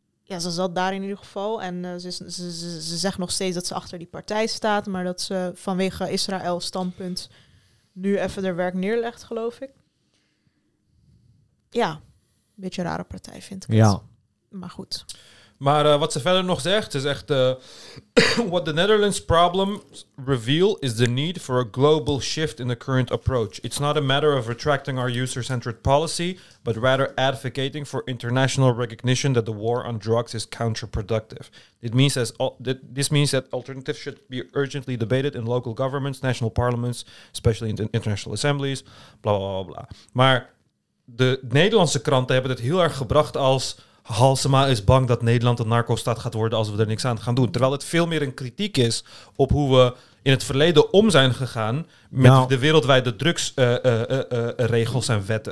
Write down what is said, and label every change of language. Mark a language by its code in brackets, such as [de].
[nl] Ja, ze zat daar in ieder geval. En ze zegt nog steeds dat ze achter die partij staat. Maar dat ze vanwege Israël standpunt nu even haar werk neerlegt, geloof ik. Ja, een beetje een rare partij vind ik. Ja. Het. Maar goed. Maar wat ze verder nog zegt, ze zegt... [en] what the Netherlands problems reveal is the need for a global shift in the current approach. It's not a matter of retracting our user-centered policy, but rather advocating for international recognition that the war on drugs is counterproductive. This means that alternatives should be urgently debated in local governments, national parliaments, especially in international assemblies, blah, blah, blah, blah. [nl] Maar de Nederlandse kranten hebben het heel erg gebracht als... Halsema is bang dat Nederland een narco-staat gaat worden als we er niks aan gaan doen. Terwijl het veel meer een kritiek is op hoe we in het verleden om zijn gegaan met de wereldwijde drugsregels en wetten.